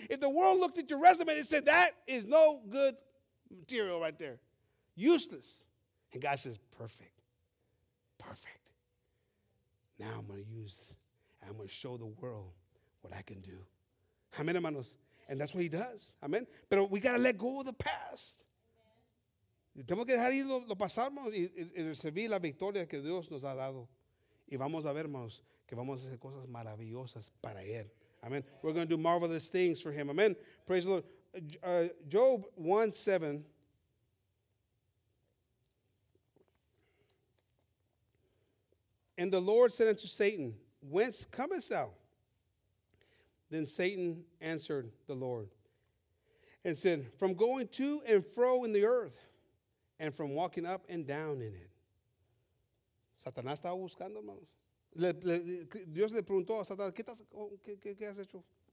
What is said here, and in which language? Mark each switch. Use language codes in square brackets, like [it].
[en] If the world looked at your resume, they said, that is no good material right there. Useless. And God says, perfect. Perfect. Now I'm going to use, and I'm going to show the world what I can do. Amen, hermanos. And that's what he does. Amen. Pero we got to let go of the past. [es] Tenemos que dejar ir lo pasado, hermanos, y recibir la victoria que Dios nos ha dado. Y vamos a ver, hermanos, que vamos a hacer cosas maravillosas para él. [en] Amen. We're going to do marvelous things for him. Amen. Praise the Lord. Job 1:7. And the Lord said unto Satan, whence comest thou? Then Satan answered the Lord and said, from going to and fro in the earth and from walking up and down in it. [es] Satanás estaba buscando, hermanos. Dios le preguntó a Satanás, ¿qué estás, qué has hecho?